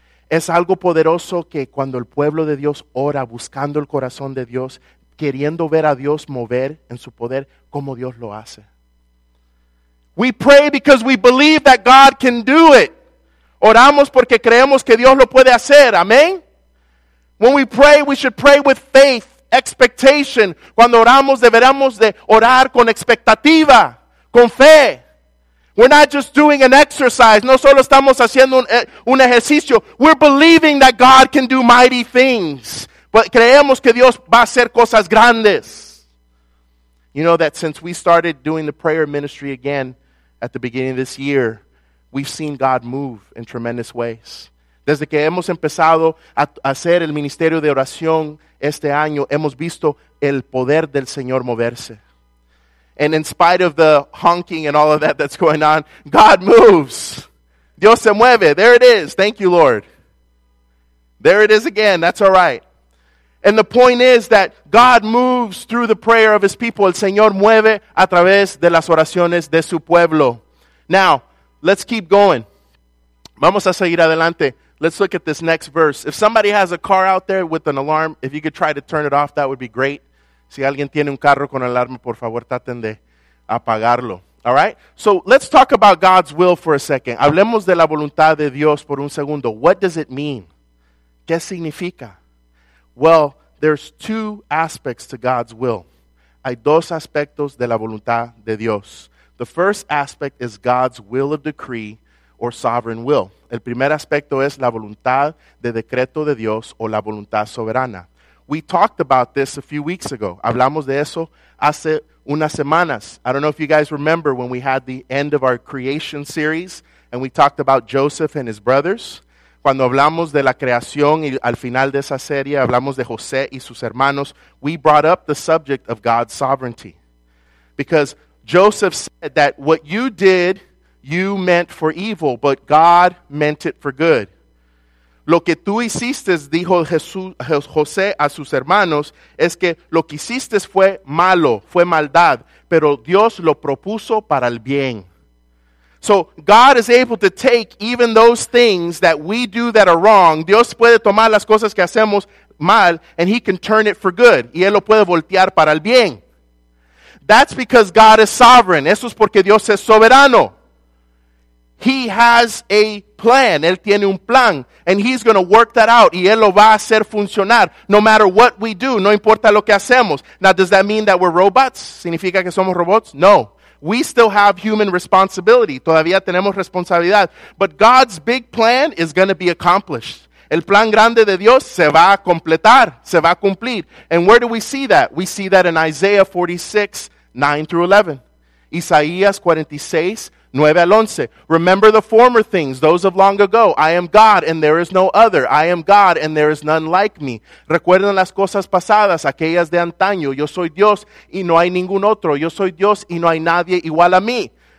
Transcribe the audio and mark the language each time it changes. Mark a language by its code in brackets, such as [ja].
[es] Es algo poderoso que cuando el pueblo de Dios ora buscando el corazón de Dios, queriendo ver a Dios mover en su poder, como Dios lo hace. [en] We pray because we believe that God can do it. [es] Oramos porque creemos que Dios lo puede hacer. Amén. [en] When we pray, we should pray with faith, expectation. [es] Cuando oramos, deberemos de orar con expectativa, con fe. [en] We're not just doing an exercise. [es] No solo estamos haciendo un ejercicio. [en] We're believing that God can do mighty things. But [es] creemos que Dios va a hacer cosas grandes. [en] You know that since we started doing the prayer ministry again at the beginning of this year, we've seen God move in tremendous ways. [es] Desde que hemos empezado a hacer el ministerio de oración este año, hemos visto el poder del Señor moverse. [en] And in spite of the honking and all of that that's going on, God moves. [es] Dios se mueve. [en] There it is. Thank you, Lord. There it is again. That's all right. And the point is that God moves through the prayer of his people. [es] El Señor mueve a través de las oraciones de su pueblo. [en] Now, let's keep going. [es] Vamos a seguir adelante. [en] Let's look at this next verse. If somebody has a car out there with an alarm, if you could try to turn it off, that would be great. [es] Si alguien tiene un carro con alarma, por favor, traten de apagarlo. [en] All right? So let's talk about God's will for a second. [es] Hablemos de la voluntad de Dios por un segundo. [en] What does it mean? [es] ¿Qué significa? [en] Well, there's two aspects to God's will. [es] Hay dos aspectos de la voluntad de Dios. [en] The first aspect is God's will of decree or sovereign will. [es] El primer aspecto es la voluntad de decreto de Dios o la voluntad soberana. [en] We talked about this a few weeks ago. [es] Hablamos de eso hace unas semanas. [en] I don't know if you guys remember when we had the end of our creation series and we talked about Joseph and his brothers. [es] Cuando hablamos de la creación y al final de esa serie hablamos de José y sus hermanos, [en] we brought up the subject of God's sovereignty. Because Joseph said that what you did, you meant for evil, but God meant it for good. [es] Lo que tú hiciste, dijo José a sus hermanos, es que lo que hiciste fue malo, fue maldad, pero Dios lo propuso para el bien. [en] So God is able to take even those things that we do that are wrong. [es] Dios puede tomar las cosas que hacemos mal, [en] and he can turn it for good. [es] Y él lo puede voltear para el bien. [en] That's because God is sovereign. [es] Eso es porque Dios es soberano. [en] He has a plan. [es] Él tiene un plan. [en] And he's going to work that out. [es] Y él lo va a hacer funcionar. [en] No matter what we do. [es] No importa lo que hacemos. [en] Now, does that mean that we're robots? [es] ¿Significa que somos robots? [en] No. We still have human responsibility. [es] Todavía tenemos responsabilidad. [en] But God's big plan is going to be accomplished. [es] El plan grande de Dios se va a completar, se va a cumplir. [en] And where do we see that? We see that in Isaiah 46, 9 through 11. [es] Isaías 46, 9 al 11. [en] Remember the former things, those of long ago. I am God and there is no other. I am God and there is none like me. [es] Recuerden las cosas pasadas, aquellas de antaño. Yo soy Dios y no hay ningún otro. Yo soy Dios y no hay nadie igual a mí.